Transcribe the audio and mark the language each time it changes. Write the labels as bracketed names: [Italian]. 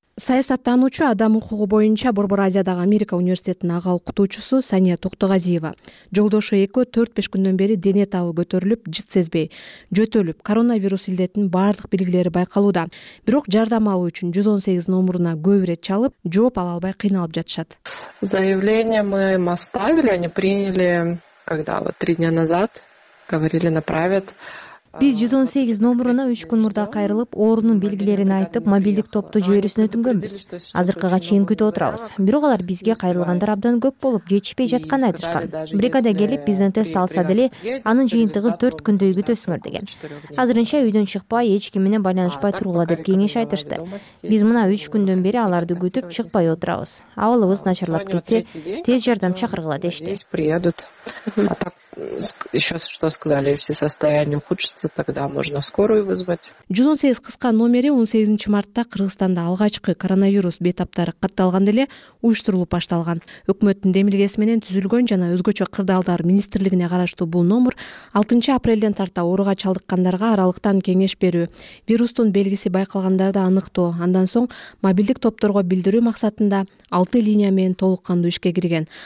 [Kyrgyz] Саясаттануучу, адам укугу боюнча Борбор Азиядагы Америка университетинин ага окутуучусу Сания Токтогазиева. Жолдошу экөө 4-5 күндөн бери дене табы көтөрүлүп, жыт сезбей, жөтөлүп, коронавирус илдетинин бардык белгилери байкалууда. Бирок жардам алуу үчүн 118 номуруна көп ирет чалып, жооп ала албай кыйналып жатышат. [Russian] Заявление мы оставили, они приняли, когда вот 3 дня назад, говорили, направят. [Kyrgyz] Биз 118 номуруна 3 күн мурда кайрылып, оорунун белгилерин айтып, мобилдик топту жөөрүсүн өтүнгөнбүз. Азыркыга чейин күтүп отурабыз. Бирок алар бизге кайрылгандар абдан көп болуп, жетишпей жаткан айтышкан. Бригада келип, бизден тест алса деле, анын жыйынтыгын 4 күндөй күтөсүңөр деген. Азырынча үйдөн чыкпай, эч ким менен байланышпай тургула деп кеңеш айтышты. Биз мына 3 күндөн бери аларды күтүп, чыкпай отурабыз. Абалыбыз начарлап кетсе, тез жардам чакыргыла дешти. [Russian] Сейчас что сказали, если состояние ухудшится, тогда можно скорую вызвать. [Kyrgyz] 118 кыска номери 18 мартта Кыргызстанда алгачкы коронавирус бетаптары катталган деле уюштурулуп башталган. Өкмөттүн демилгеси менен түзүлгөн жана өзгөчө кырдаалдар министрлигине караштуу бул номер 6 апрелден тарта ооруга чалдыккандарга аралыктан кеңеш берүү, вирустун белгиси байкалгандарды аныктоо, андан соң мобилдик топторго билдирүү максатында 6 линия менен толук кандуу ишке кирген.